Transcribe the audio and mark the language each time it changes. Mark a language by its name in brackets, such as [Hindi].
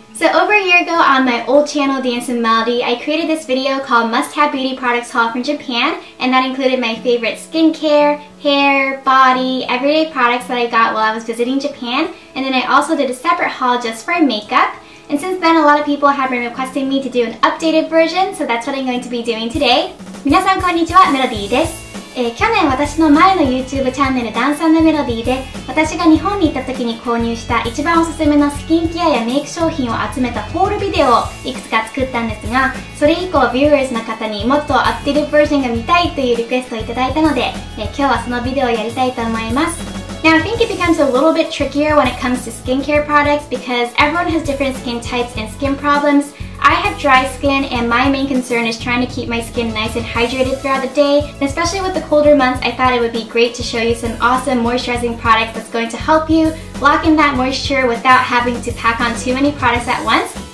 [English] So over a year ago on my old channel, Dance with Melody, I created this video called Must Have Beauty Products Haul from Japan, and that included my favorite skincare, hair, body, everyday products that I got while I was visiting Japan, and then I also did a separate haul just for makeup. And since then, a lot of people have been requesting me to do an updated version, so that's what I'm going to be doing today. [Japanese] 皆さんこんにちは、Melodyです。去年私の前の YouTube チャンネルダンス&メロディーで私が日本に行った時に購入した一番おすすめのスキンケアやメイク商品を集めたホールビデオをいくつか作ったんですが、それ以降ビューアーズの方にもっとアップデートバージョンが見たいというリクエストをいただいたので、今日はそのビデオをやりたいと思います。 [English] Now, I think it becomes a little bit trickier when it comes to skincare products because everyone has different skin types and skin problems. I have dry skin and my main concern is trying to keep my skin nice and hydrated throughout the day. And especially with the colder months, I thought it would be great to show you some awesome moisturizing products that's going to help you lock in that moisture without having to pack on too many products at once.